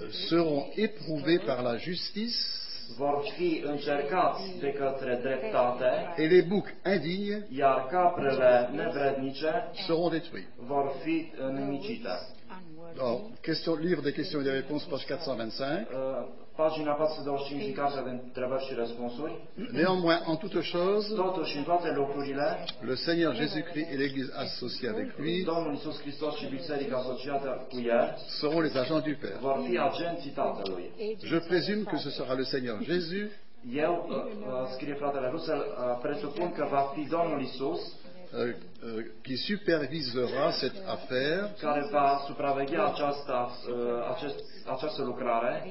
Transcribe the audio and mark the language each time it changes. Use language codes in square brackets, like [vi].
[fr] seront éprouvés par la justice, [ro] vor fi încercați de către dreptate, [fr] et les boucs indignes, [ro] iar caprele nevrednice, [fr] seront détruits, [ro] vor fi nimicite. [fr] Alors, question, livre des questions et des réponses, page 425. [ro] Pagina 425 din cartea de întrebări și răspunsuri. [fr] Néanmoins, en toute chose, [ro] totuși, în toate locurile, [fr] le Seigneur Jésus-Christ et l'Église associée avec lui, [ro] Domnul Iisus Hristos și Biserica Asociată cu El, [fr] seront les agents du Père. [ro] Vor fi agenții Tatălui. [fr] Je présume que ce sera le Seigneur Jésus. [ro] Eu, scrie fratele Russell, presupun că va fi Domnul Iisus, [fr] qui supervisera cette affaire, [ro] care va supraveghea aceasta, această lucrare,